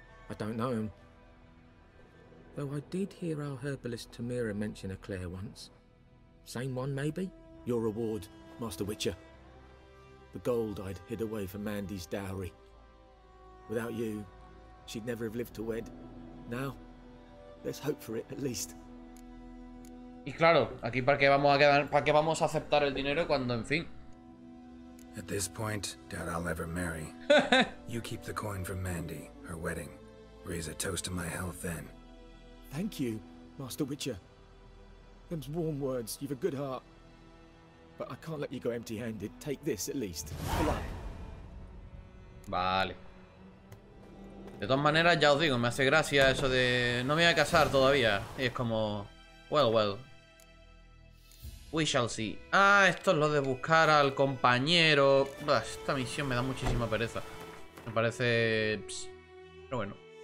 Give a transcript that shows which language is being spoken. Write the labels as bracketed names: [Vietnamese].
[English] I don't know him. Though I did hear our herbalist Tamira mention a Claire once. Same one, maybe? Your reward, Master Witcher. The gold I'd hid away for Mandy's dowry. Without you, she'd never have lived to wed. Now, there's hope for it, at least. [Spanish] Y claro, aquí para qué vamos a quedar, para qué vamos a aceptar el dinero cuando, en fin. [English] At this point, doubt I'll ever marry. You keep the coin from Mandy, her wedding. Raise a toast to my health then. Thank you, Master Witcher. Them's warm words. You've a good heart. But I can't let you go empty-handed. Take this at least. [Spanish] Vale. De todas maneras, ya os digo, me hace gracia eso de no me voy a casar todavía. Y es como, [English] well, well. We shall see. [Spanish] Ah, esto es lo de buscar al compañero. Esta misión me da muchísima pereza. Me parece... pero bueno.